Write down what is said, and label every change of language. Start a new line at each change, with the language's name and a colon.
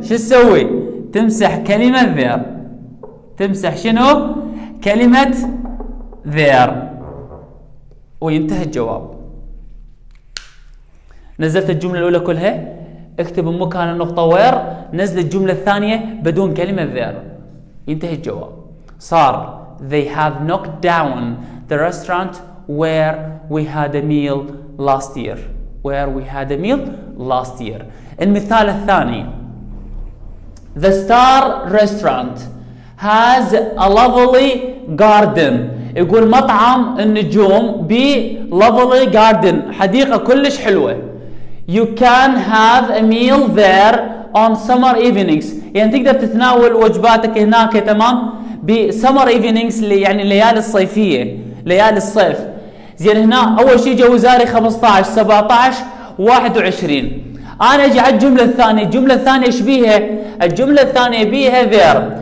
Arabic: شو تسوي؟ تمسح كلمة ذير. تمسح شنو؟ كلمة ذير، وينتهي الجواب. نزلت الجملة الأولى كلها، اكتب مكان النقطة وير، نزل الجملة الثانية بدون كلمة ذير، ينتهي الجواب. صار
English: they have knocked down the restaurant where we had a meal last year. Where we had a meal last year.
Arabic: المثال الثاني،
English: the star restaurant has a lovely garden.
Arabic: يقول مطعم النجوم بي
English: lovely garden،
Arabic: حديقة كلش حلوة.
English: You can have a meal there on summer evenings.
Arabic: يعني تقدر تتناول وجباتك هناك، تمام، بي
English: summer evenings
Arabic: يعني ليالي الصيفية، ليالي الصيف. زين هنا أول شيء جاء وزاري 15-17-21. أنا أجي على الجملة الثانية، الجملة الثانية إيش بيها؟ الجملة الثانية بيها there.